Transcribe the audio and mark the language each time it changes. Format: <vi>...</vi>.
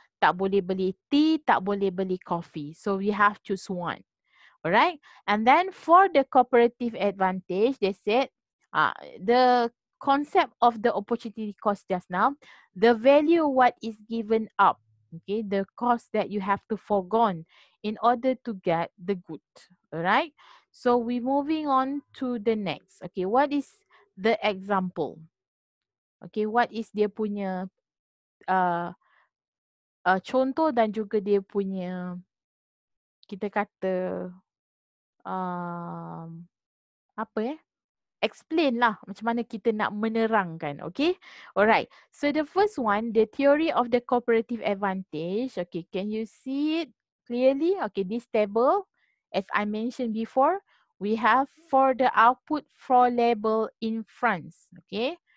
<ms>Tak boleh beli tea, tak boleh beli coffee.</ms> <en>So we have choose one. Alright, and then for the cooperative advantage, they said the concept of the opportunity cost just now, the value what is given up, okay, the cost that you have to forgone in order to get the good, all right? So we're moving on to the next. Okay, what is the example? Okay, what is</en> <ms>dia punya contoh dan juga dia punya, kita kata, apa ya? Explain lah macam mana kita nak menerangkan, okay?</ms> <en>Alright, so the first one, the theory of the comparative advantage. Okay, can you see it clearly? Okay, this table, as I mentioned before, we have for the output for label in France, okay?</en>